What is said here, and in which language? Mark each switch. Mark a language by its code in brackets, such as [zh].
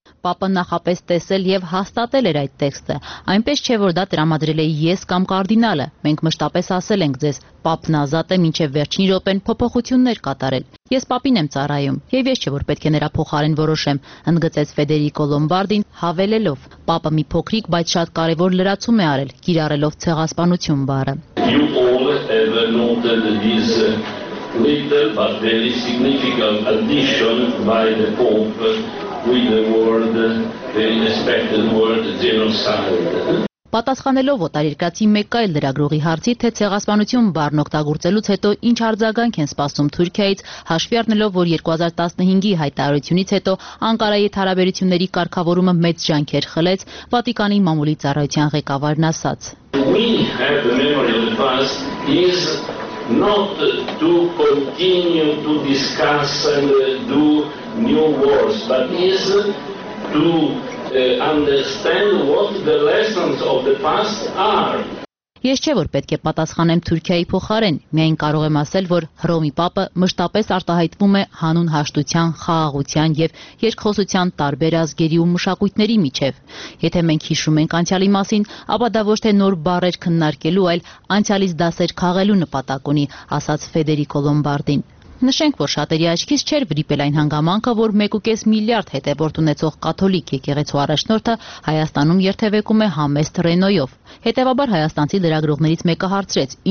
[hy] Պապը նախապես տեսել եւ հաստատել էր այդ տեքստը, այնպես չէ որ դա տրամադրել էի ես կամ կարդինալը։ Մենք մշտապես ասել ենք ձեզ, Պապն ազատ է մինչեւ վերջին րոպեն փոփոխություններ կատարել։ Ես Պապին եմ ծառայում եւ ես չէ որ պետք է նրա փոխարեն որոշեմ, ընդգծեց Ֆեդերիկո Լոմբարդին հավելելով։ Պապը մի փոքրիկ, բայց շատ կարեւոր լրացում է արել՝ կիրառելով ցեղասպանություն բառը։ [en] Little but very significant addition by the Pope with the word, the unexpected word, genocide. [hy] Պատասխանելով օտարերկրացի մեկ այլ լրագրողի հարցի, թե ցեղասպանություն բառն օգտագործելուց հետո ինչ արձագանք են սպասում Թուրքիայից, հաշվի առնելով, որ 2015-ի հայտարարությունից հետո Անկարայի հետ հարաբերությունների կարգավորումը մեծ ջանքեր խլեց, Վատիկանի մամուլի ծառայության ղեկավարն ասաց. [en] We have the memory of the past is not to continue to discuss and do new wars, but is to understand what the lessons of the past are. [hy] Ես չէ որ պետք է պատասխանեմ Թուրքիայի փոխարեն, միայն կարող եմ ասել, որ Հռոմի Պապը մշտապես արտահայտվում է հանուն հաշտության, խաղաղության եւ երկխոսության տարբեր ազգերի ու մշակույթների միջև։ Եթե մենք հիշում ենք անցյալի մասին, ապա դա ոչ թե նոր բարեր քննարկելու, այլ անցյալից դասեր քաղելու նպատակ ունի, ասաց Ֆեդերիկո Լոմբարդին։ Նշենք, որ շատերի աչքից չէր վրիպել այն հանգամանքը, որ 1.5 միլիարդ հետևորդ ունեցող կաթոլիկ եկեղեցու առաջնորդը